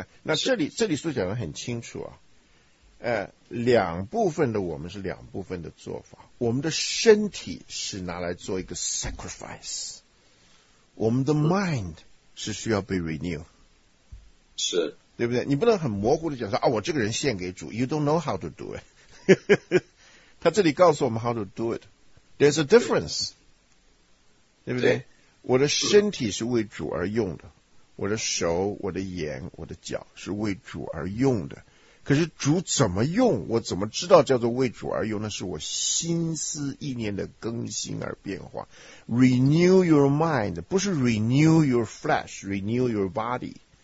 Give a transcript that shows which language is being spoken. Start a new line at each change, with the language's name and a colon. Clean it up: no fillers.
Chinese: 那这里所讲的很清楚啊，两部分的我们是两部分的做法。我们的身体是拿来做一个 sacrifice， 我们的 mind 是需要被 renew，是，对不对？你不能很模糊的讲说啊，我这个人献给主 ，
English: you don't know how to do it 。
Chinese: 他这里告诉我们
English: how to do it， there's a difference，
Chinese: 对不对？我的身体是为主而用的，我的手、我的眼、我的脚是为主而用的。可是主怎么用，我怎么知道叫做为主而用？那是我心思意念的更新而变化。
English: Renew your mind，
Chinese: 不是
English: renew your flesh， renew your body。